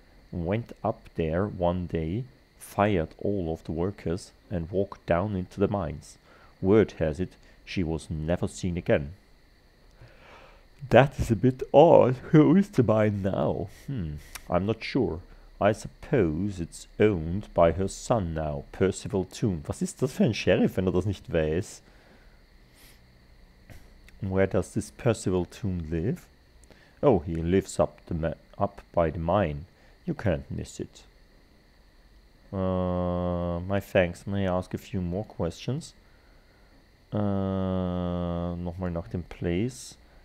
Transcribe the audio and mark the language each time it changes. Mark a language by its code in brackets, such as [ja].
[en] Went up there one day, fired all of the workers, and walked down into the mines. Word has it, she was never seen again. That is a bit odd. Who is to buy now? I'm not sure. I suppose it's owned by her son now, Percival Toon. [de] Was ist das für ein Sheriff, wenn er das nicht weiß? [en] Where does this Percival Toon live? Oh, he lives up the up by the mine. You can't miss it. My thanks. May I ask a few more questions? [de] Nochmal nach dem Place.